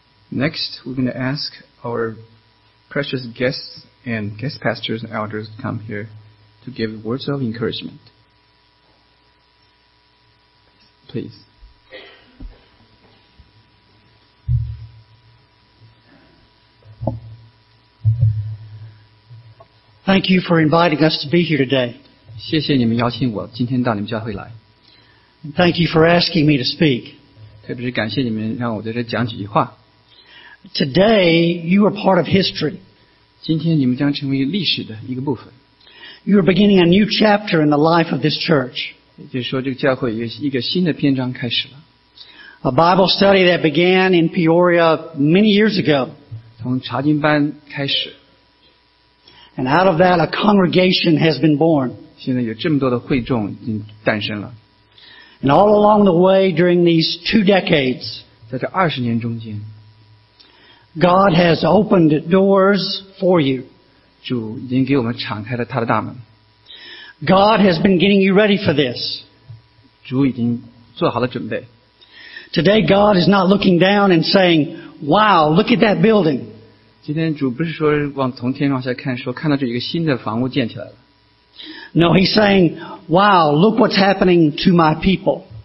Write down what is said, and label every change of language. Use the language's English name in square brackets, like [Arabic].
[English] Next, we're going to ask our precious guests and guest pastors and elders to come here to give words of encouragement. Please. Thank you for inviting us to be here today. [Chinese] 谢谢你们邀请我今天到你们教会来。 [English] Thank you for asking me to speak. [Chinese] 特别是感谢你们让我在这讲几句话。 [English] Today, you are part of history. [Chinese] 今天你们将成为历史的一个部分。 [English] You are beginning a new chapter in the life of this church. [Chinese] 也就是说这个教会一个新的篇章开始了。 [English] A Bible study that began in Peoria many years ago. [Chinese] 从查经班开始。 [English] And out of that, a congregation has been born. [Chinese] 现在有这么多的会众已经诞生了。 [English] And all along the way during these two decades, [Chinese] 在这20年中间, [English] God has opened doors for you. [Chinese] 主已经给我们敞开了他的大门。 [English] God has been getting you ready for this. [Chinese] 主已经做好了准备。 [English] Today God is not looking down and saying, wow, look at that building. [Chinese] 今天主不是说往从天上下看，说看到这一个新的房屋建起来了。 [English] No, he's saying, wow, look what's happening to my people.